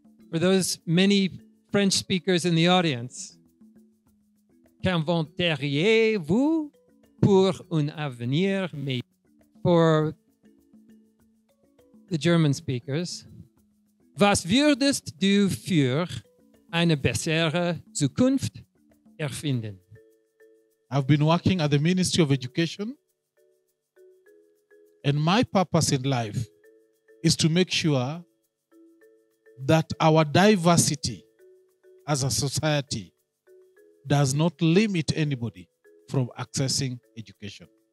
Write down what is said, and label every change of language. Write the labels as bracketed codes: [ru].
[en] For those many French speakers in the audience, [fr] qu'inventeriez-vous pour un avenir meilleur? [en] For the German speakers, [de] was würdest du für eine bessere Zukunft erfinden? [en] I've been working at the Ministry of Education, and my purpose in life is to make sure that our diversity as a society does not limit anybody from accessing education.